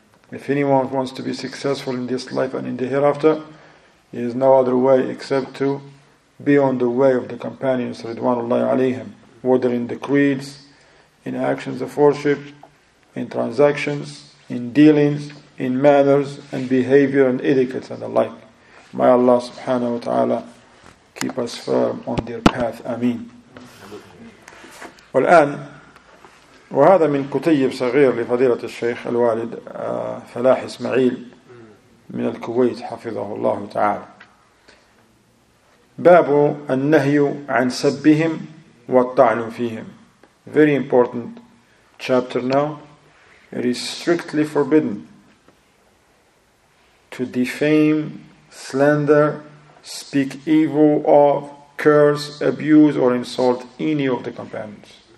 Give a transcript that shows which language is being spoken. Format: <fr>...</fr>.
<en>If anyone wants to be successful in this life and in the hereafter, there is no other way except to be on the way of the companions, Ridwanullahi alayhim, whether in the creeds, in actions of worship, in transactions, in dealings, in manners and behavior and etiquette and the like. May Allah subhanahu wa ta'ala keep us firm on their path. Ameen.</en> <ar>والآن وهذا من كتيب صغير لفضيلة الشيخ الوالد فلاح إسماعيل من الكويت حفظه الله تعالى. باب النهي عن سبهم والطعن فيهم.</ar> <en>Very important chapter now. It is strictly forbidden to defame, slander, speak evil of, curse, abuse, or insult any of the companions.</en>